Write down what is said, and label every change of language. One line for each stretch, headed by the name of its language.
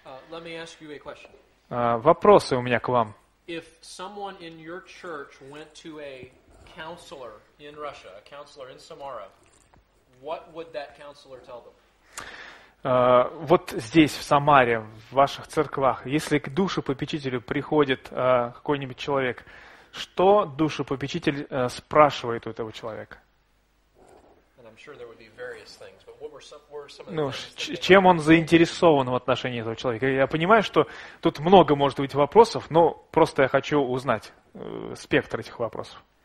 English: Let me ask you a question.
Russian: Вопросы у меня к вам.
English: If someone in your church went to a counselor in Russia, a counselor in Samara, what would that counselor tell them?
Russian: Вот здесь, в Самаре, в ваших церквах, если к душепопечителю приходит какой-нибудь человек, что душепопечитель спрашивает у этого человека?
English: And I'm sure there would be various things, but what were some of the
Russian: Чем он заинтересован в отношении этого человека? Я понимаю, что тут много может быть вопросов, но просто я хочу узнать спектр этих вопросов.